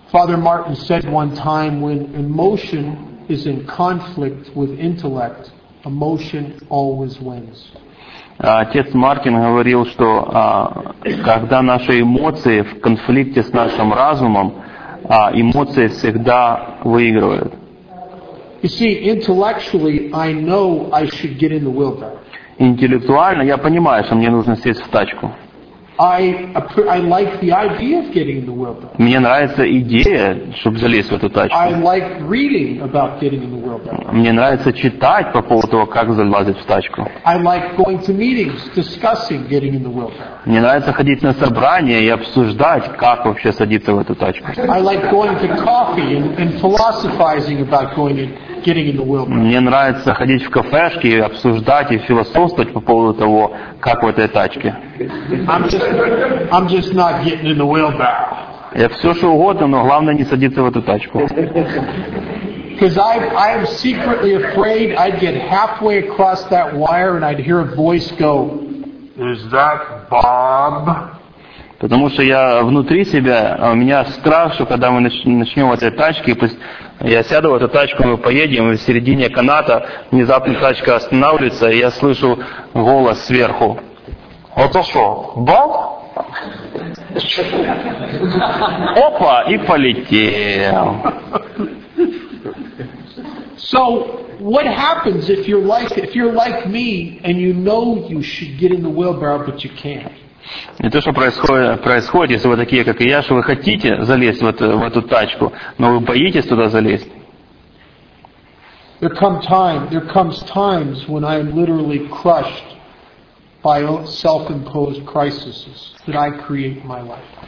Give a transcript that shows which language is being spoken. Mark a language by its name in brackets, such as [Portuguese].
[English] Father Martin said one time, when emotion is in conflict with intellect, emotion always wins. [Russian] Отец Мартин говорил, что когда наши эмоции в конфликте с нашим разумом, эмоции всегда выигрывают. [English] You see, intellectually, I know I should get in the wheelbarrow. [Russian] Интеллектуально я понимаю, что мне нужно сесть в тачку. [English] I like the idea of getting in the wheelbarrow. [Russian] Мне нравится идея, чтобы залезть в эту тачку. [English] I like reading about getting in the wheelbarrow. [Russian] Мне нравится читать по поводу того, как залезть в тачку. [English] I like going to meetings, discussing getting in the wheelbarrow. [Russian] Мне нравится ходить на собрания и обсуждать, как вообще садиться в эту тачку. [English] I like going to coffee and philosophizing about going in. [Russian] Мне нравится ходить в кафешки и обсуждать и философствовать по поводу того, как в этой тачке. [English] I'm just not getting in the wheelbarrow. [Russian] Я все что угодно, но главное не садиться в эту тачку. [English] Because I'm secretly afraid I'd get halfway across that wire and I'd hear a voice go, "Is that Bob?" [Russian] Потому что я внутри себя, у меня страх, что когда мы начнем в этой тачке, пусть я сяду в эту тачку, мы поедем, и в середине каната внезапно тачка останавливается, и я слышу голос сверху. Это что, Бог? Опа, и полетел. [English] So, what happens if you're like me, and you know you should get in the wheelbarrow, but you can't? [Russian] И то, что происходит, если вы такие, как и я, что вы хотите залезть в эту тачку, но вы боитесь туда залезть. [English] There comes times when I am literally crushed by self-imposed crises that I create in my life.